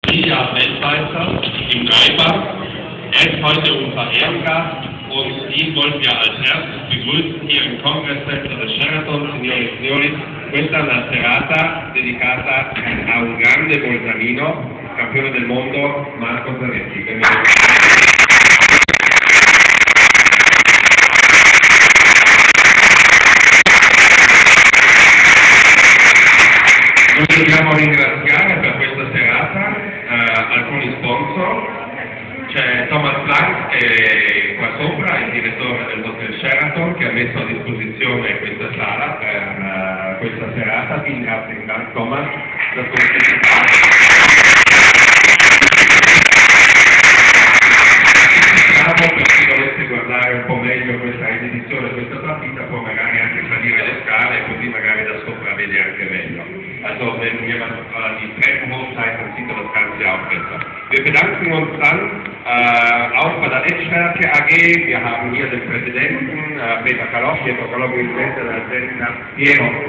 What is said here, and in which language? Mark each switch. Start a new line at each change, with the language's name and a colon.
German: Olympia Weltmeister im Greifach. Er ist heute unser Ehrengast und ihn wollen wir als erstes begrüßen hier im Congress Center des Sheraton,
Italian: Signore e Signori. Questa è una serata dedicata a un grande bolzanino, campione del mondo, Marco Zanetti. Benvenuto. Noi dobbiamo ringraziare per questa serata alcuni sponsor. C'è Thomas Blanc, che è qua sopra, il direttore del Hotel Sheraton, che ha messo a disposizione questa sala per questa serata. Ti ringrazio, Thomas, per partecipare. Per chi volesse guardare un po' meglio questa edizione, questa partita, può magari anche salire le scale, così magari da sopra vede anche meglio.
German: Also, wenn jemand die Treppen hochsteigt, dann sieht er das Ganze ja auch besser. Wir bedanken uns dann auch bei der Netzwerke AG. Wir haben hier den Präsidenten, Peter Kalof. Peter Kalof ist der Präsident, der Präsident nach Piero.